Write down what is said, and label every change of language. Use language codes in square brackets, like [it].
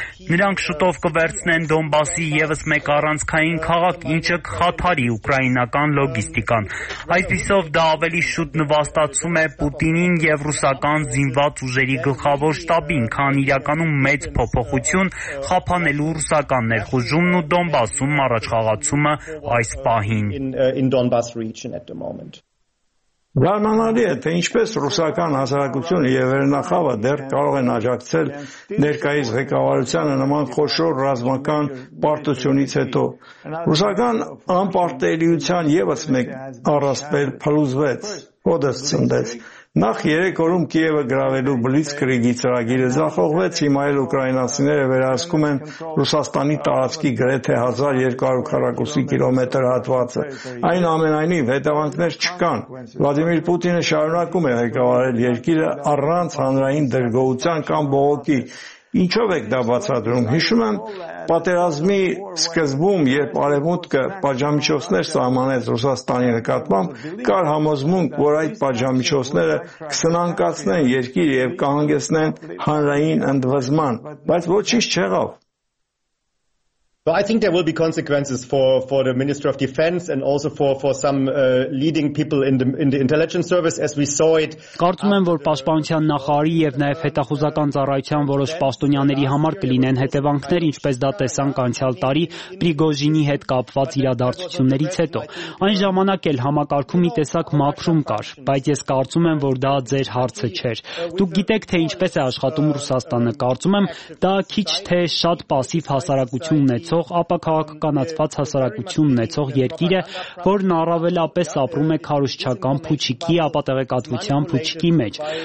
[hy] Նրանք շուտով կվերցնեն Դոնբասի ևս մեկ առանցքային քաղաք, ինչը կխաթարի ուկրաինական լոգիստիկան։ Այսպիսով դա ավելի շուտ նվաստացում է Պուտինին և ռուսական զինված ուժերի գլխավոր շտաբին, քան իրականում մեծ փոփոխություն խափանելու ռուսական ներխուժումն ու Դոնբասում առաջխաղացումը այս պահին [en] in Donbas region at the moment. [hy] Գարմանալի է, թե ինչպես ռուսական հասարակությունը և Վերնախավը դեռ կարող են աջակցել ներկայիս ղեկավարությանը նման խոշոր ռազմական պարտությունից հետո։ Ռուսական անպարտելիության ևս մեկ առասպել փլուզվեց, հոդս ցնդեց։ Նախ 3 օրում Կիևը գրավելու բլիցկրիգի ծրագիրը ձախողվեց, հիմա էլ ուկրաինացիները վերահսկում են Ռուսաստանի տարածքի գրեթե 1200 քառակուսի կիլոմետր հատվածը։ Այն ամենայնիվ հետևանքներ չկան։ Վլադիմիր Պուտինը շարունակում է ղեկավարել երկիրը առանց հանրային դժգոհության կամ բողոքի։ Ինչով եք դա բացատրում։ Հիշում եմ, պատերազմի սկզբում, երբ Արևմուտքը պատժամիջոցներ սահմանեց Ռուսաստանի նկատմամբ, կար համոզմունք, որ այդ պատժամիջոցները կսնանկացնեն երկիր և կհանգեցնեն հանրային ընդվզման, բայց ոչինչ չեղավ։ [en] But I think there will be consequences for the Minister of Defense and also for some leading people in the intelligence service as we saw it. [hy] Կարծում եմ, որ պաշտպանության նախարարի եւ նաեւ հետախուզական ծառայության որոշ պաշտոնյաների համար կլինեն հետևանքներ, ինչպես դա տեսանք անցյալ տարի Պրիգոժինի հետ կապված իրադարձություններից հետո։ Այն ժամանակ էլ համակարգումի տեսակ մաքրում կար, բայց ես կարծում եմ, որ դա ձեր հարցը չէր։ Դուք գիտեք, թե ինչպես է աշխատում Ռուսաստանը։ Կարծում եմ, դա քիչ թե շատ пассив հասարակությունն է, ցող ապակահականացված հասարակություն ունեցող երկիրը, որն առավելապես ապրում է քարոշչական փուչիկի ապատեղեկատվության փուչիկի մեջ։